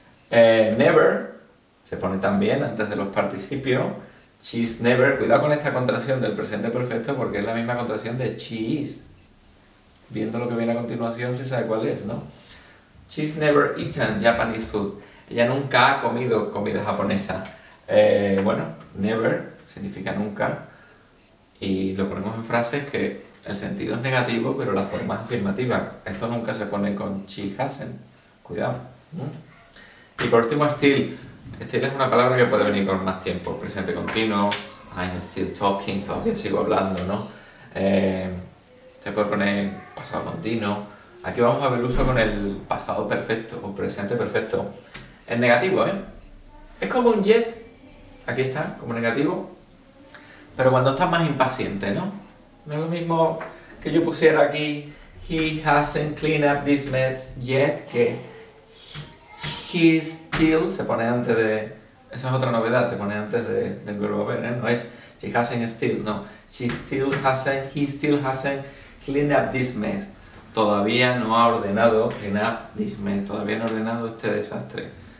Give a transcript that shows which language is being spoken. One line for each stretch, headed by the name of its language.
Spanish: Never, se pone también antes de los participios.
English: She's never,
Spanish: cuidado con esta contracción del presente perfecto porque es la misma contracción de she is. viendo lo que viene a continuación, se sabe cuál es, ¿no?
English: She's never eaten Japanese food.
Spanish: Ella nunca ha comido comida japonesa. Bueno, never significa nunca. Y lo ponemos en frases que el sentido es negativo, pero la forma es afirmativa. Esto nunca se pone con
English: she hasn't.
Spanish: Cuidado. Y por último, still. Still es una palabra que puede venir con más tiempo. Presente continuo.
English: I'm still talking.
Spanish: Todavía sigo hablando, ¿no? Se puede poner pasado continuo. Aquí vamos a ver uso con el pasado perfecto o presente perfecto. Es negativo, ¿eh? Es como un yet. Aquí está, como negativo. Pero cuando estás más impaciente, ¿no? No es lo mismo que yo pusiera aquí
English: he hasn't cleaned up this mess yet
Spanish: que
English: he still
Spanish: se pone antes de... Esa es otra novedad, se pone antes de, del verbo haber, ¿eh? No es
English: she hasn't still,
Spanish: no.
English: She still hasn't, he still hasn't cleaned up this mess.
Spanish: Todavía no ha ordenado
English: clean up this mess.
Spanish: Todavía no ha ordenado este desastre.